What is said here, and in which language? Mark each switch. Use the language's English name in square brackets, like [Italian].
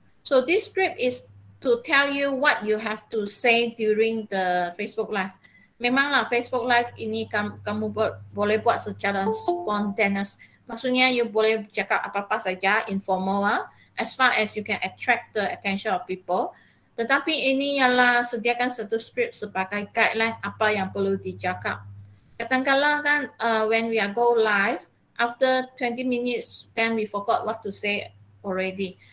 [English] So, this script is to tell you what you have to say during the Facebook Live. [Malay] Memanglah Facebook Live ini kamu boleh buat secara spontaneous. Maksudnya, you boleh cakap apa-apa saja, informal lah. [English] As far as you can attract the attention of people. [Malay] Tetapi ini ialah sediakan satu script sebagai guideline apa yang perlu dicakap. Katakanlah kan [English] when we are go live, after 20 minutes, then we forgot what to say already.